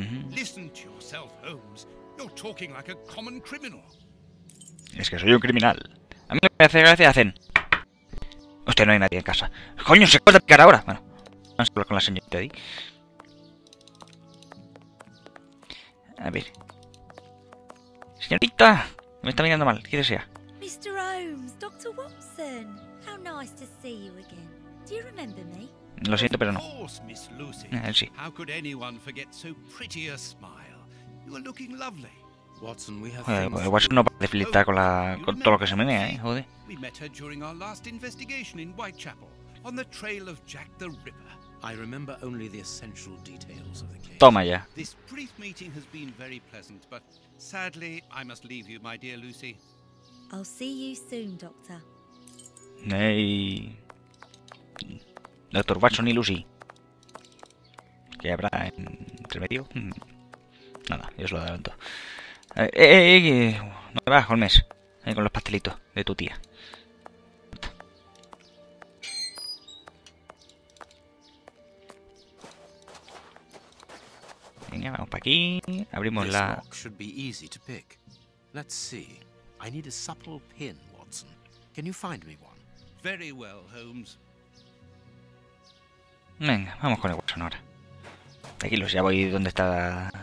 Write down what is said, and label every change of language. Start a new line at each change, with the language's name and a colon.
English: Listen to yourself, Holmes. You're talking like a common criminal.
Spanish: Es que soy un criminal. A mí lo que me hace gracia hacen. Hostia, no hay nadie en casa. ¡Coño, se puede picar ahora! Bueno, vamos a hablar con la señorita ahí. A ver. ¡Señorita! Me está mirando mal, ¿qué desea?
English: Mr. Holmes, Dr. Watson. How nice to see you again. Do you remember me?
Spanish: Lo siento, pero no.
English: Of course, Miss Lucy.
Spanish: Él sí.
English: How could anyone forget so pretty a smile? You are looking lovely. Watson, we have things...
Spanish: Watson no puede flirtar con la con todo lo que se menea, joder.
English: We met her during our last investigation in Whitechapel, on the trail of Jack the Ripper. I remember only the essential details of the case.
Spanish: Toma ya.
English: This brief meeting has been very pleasant, but sadly, I must leave you, my dear Lucy. I'll see you soon, Doctor.
Spanish: Hey. Doctor Watson y Lucy. ¿Qué habrá entre medio? Nada, yo se lo adelanto. No te vas, Holmes. Con los pastelitos de tu tía. Venga, vamos para aquí. Abrimos la.
English: Should be easy to pick. Let's see. I need a supple pin, Watson. Can you find me one? Very well, Holmes.
Spanish: Venga, vamos con el Watson ahora. Tranquilos, ya voy donde está.